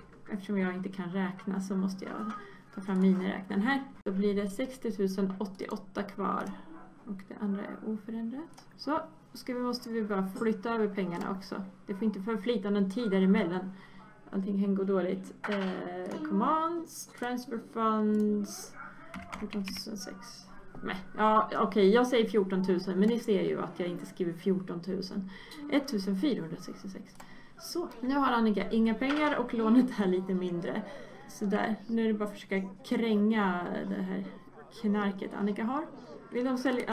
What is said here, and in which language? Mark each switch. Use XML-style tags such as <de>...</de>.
<sv>Eftersom jag inte kan räkna så måste jag ta fram miniräknaren här. Då blir det 60 088 kvar. Och det andra är oförändrat. Så, ska vi, måste vi bara flytta över pengarna också. Det får inte förflyta någon tid däremellan. Allting kan gå dåligt.</sv> <en>Commands, transfer funds, 14 006.</en> <sv>Ja, okej, okay, jag säger 14 000, men ni ser ju att jag inte skriver 14 000. 1 466. Så, nu har Annika inga pengar och lånet är lite mindre. Så där, nu är det bara att försöka kränga det här knarket Annika har. Vill de sälja?</sv>